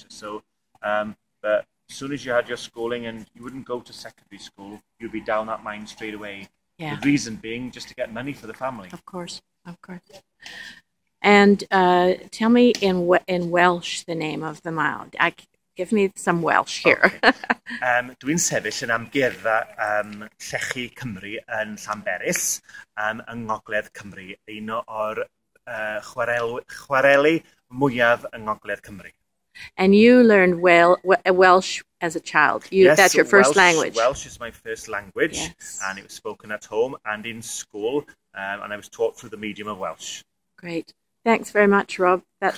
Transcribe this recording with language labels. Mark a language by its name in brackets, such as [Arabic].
[English] So, but as soon as you had your schooling and you wouldn't go to secondary school, you'd be down that mine straight away. Yeah. The reason being just to get money for the family. Of course. And tell me in Welsh the name of the mound. Give me some Welsh here. Okay. [Welsh] Dwi'n sefyll yn amgueddfa Llechi Cymru yn Llanberis, yng Ngogledd Cymru, un o'r chwareli mwyaf yng Ngogledd Cymru. [English] And you learned Welsh as a child. That's your first language. Welsh is my first language, yes, and it was spoken at home and in school, and I was taught through the medium of Welsh. Great. Thanks very much, Rob. That's